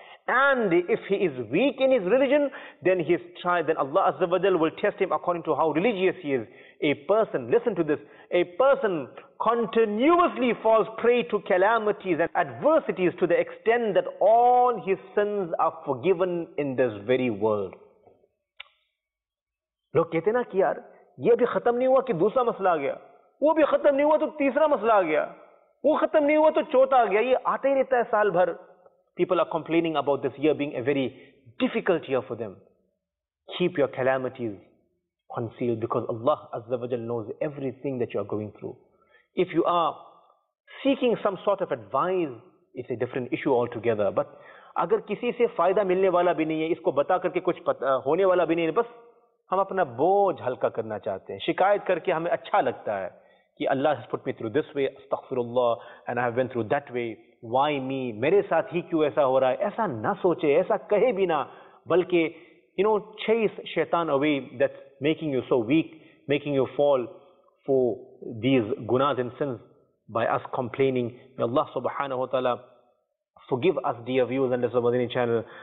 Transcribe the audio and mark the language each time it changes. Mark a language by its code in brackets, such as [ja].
[en] And if he is weak in his religion, then his trial, then Allah azza wa jal will test him according to how religious he is. A person, listen to this, a person continuously falls prey to calamities and adversities to the extent that all his sins are forgiven in this very world. [ur] لوگ کہتے ہیں نا کہ یار یہ ابھی ختم نہیں ہوا کہ دوسرا مسئلہ آ گیا, وہ ابھی ختم نہیں ہوا تو تیسرا مسئلہ آ گیا, وہ ختم نہیں ہوا تو چوتھا آ گیا, یہ آتا ہی رہتا ہے سال بھر. [en] People are complaining about this year being a very difficult year for them. Keep your calamities concealed because Allah Azza wa Jal knows everything that you are going through. If you are seeking some sort of advice, it's a different issue altogether. [ur] But اگر کسی سے فائدہ ملنے والا بھی نہیں ہے, اس کو بتا کر کے کچھ ہونے والا بھی نہیں ہے, بس ہم اپنا بوجھ ہلکا کرنا چاہتے ہیں, شکایت کر کے ہمیں اچھا لگتا ہے کہ اللہ has put me through this way, astaghfirullah, and I have been through that way, why me, میرے ساتھ ہی کیوں ایسا ہو رہا ہے. [en] ایسا نہ سوچے, ایسا کہے بھی نہ, بلکہ you know, chase shaitan away that's making you so weak, making you fall for these gunas and sins by us complaining. May Allah subhanahu wa ta'ala forgive us, dear viewers and listeners of Madani channel.